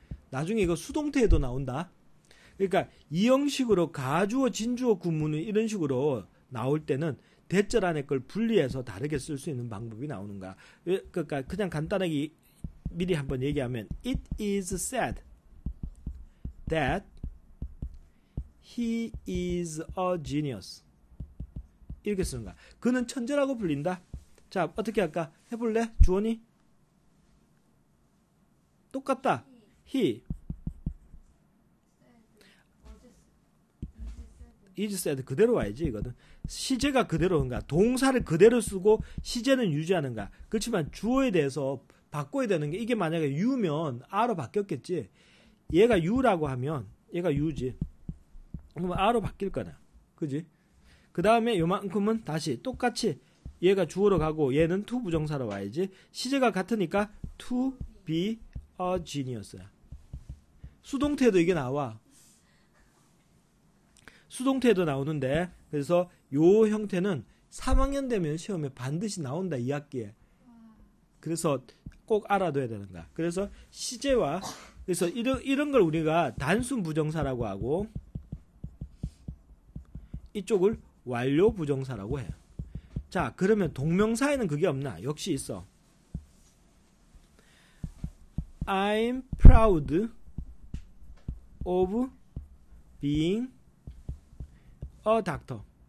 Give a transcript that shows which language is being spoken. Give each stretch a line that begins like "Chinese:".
Korean: 나중에 이거 수동태에도 나온다. 그러니까 이 형식으로 가주어, 진주어, 구문을 이런 식으로 나올 때는 대절 안에 걸 분리해서 다르게 쓸 수 있는 방법이 나오는가. 그러니까 그냥 간단하게 미리 한번 얘기하면
English: It is said that he is a genius.
Korean: 이렇게 쓰는 거야. 그는 천재라고 불린다. 자, 어떻게 할까? 해볼래? 주원이? 똑같다.
English: He is said
Korean: 그대로 와야지 이거는. 시제가 그대로 온가? 동사를 그대로 쓰고 시제는 유지하는가? 그렇지만 주어에 대해서 바꿔야 되는 게 이게 만약에 U면 R로 바뀌었겠지. 얘가 U라고 하면 얘가 U지. 그러면 R로 바뀔 거냐. 그지? 그 다음에 요만큼은 다시 똑같이 얘가 주어로 가고 얘는 to 부정사로 와야지. 시제가 같으니까 to be a genius야. 수동태도 이게 나와. 수동태도 나오는데 그래서 요 형태는 3학년 되면 시험에 반드시 나온다. 2학기에. 그래서 꼭 알아둬야 되는 거야. 그래서 시제와 그래서 이런 걸 우리가 단순 부정사라고 하고 이쪽을 완료 부정사라고 해요. 자, 그러면 동명사에는 그게 없나? 역시 있어.
English: I'm proud of being a doctor.